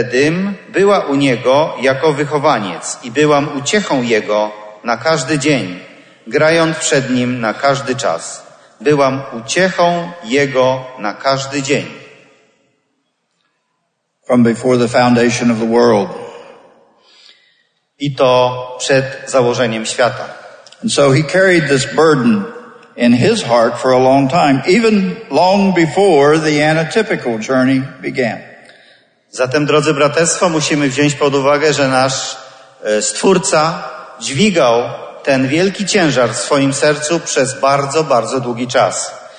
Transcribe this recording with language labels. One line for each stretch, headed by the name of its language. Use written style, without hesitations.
Polish: Tedym była u niego jako wychowaniec i byłam uciechą jego na każdy dzień, grając przed nim na każdy czas. Byłam uciechą jego na każdy dzień.
English: From before the foundation of the world.
Polish: I to przed założeniem świata.
English: And so he carried this burden in his heart for a long time, even long before the antitypical journey began.
Polish: Zatem, drodzy braterstwo, musimy wziąć pod uwagę, że nasz Stwórca dźwigał ten wielki ciężar w swoim sercu przez bardzo, bardzo długi czas.